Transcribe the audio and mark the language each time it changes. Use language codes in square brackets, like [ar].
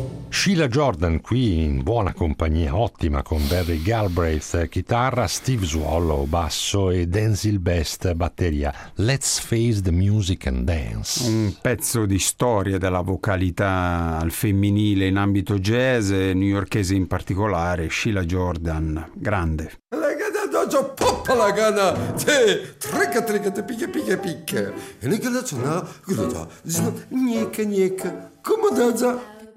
[it] Sheila Jordan qui in buona compagnia, ottima, con Barry Galbraith chitarra, Steve Swallow basso e Denzil Best batteria. [en] Let's face the music and dance. [it] Un pezzo di storia della vocalità al femminile in ambito jazz, newyorkese in particolare, Sheila Jordan, grande. Poppa la gana, te tricca tricca te picche picche picche e ne cosa c'è, no, nicca nicca come da.